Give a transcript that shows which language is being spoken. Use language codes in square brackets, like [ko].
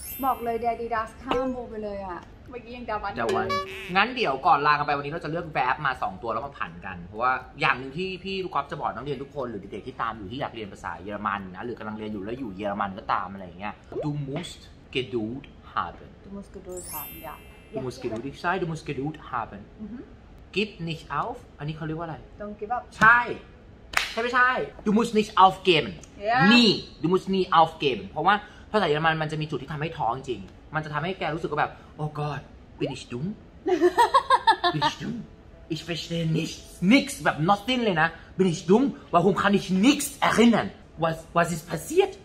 [th] บอกเลยแดดีดาสข้ามโบไปเลยอ่ะ เมื่อกี้ยังดาวัน ดาวัน งั้นเดี๋ยวก่อนลากันไปวันนี้เราจะเลือกแวบมา2ตัวแล้วมาผันกันเพราะว่าอย่างนึงที่พี่ลูกก๊อฟจะบอกนักเรียนทุกคนหรือเด็กๆที่ตามอยู่ที่อยากเรียนภาษาเยอรมันนะหรือกำลังเรียนอยู่แล้วอยู่เยอรมันก็ตามอะไรอย่างเงี้ย [de] Du musst Geduld haben Du musst Geduld haben ja Du musst Geduld ich sei Du musst Geduld haben Gib nicht auf [th] อันนี้เขาเรียกว่าอะไร [en] Don't give up [th] ใช่ใช่ไม่ใช่ [de] Du musst nicht aufgeben nie Du musst nie aufgeben [th] เพราะว่าภาษาเยอรมันมันจะมีจุดที่ทำให้ท้องจริงมันจะทำให้แกรู้สึกว่าแบบโอ้ god [de] bin ich dumm bin ich dumm ich verstehe nichts [th] แบบ nothing เลยนะ [de] bin ich dumm warum kann ich nichts erinnern was ist passiert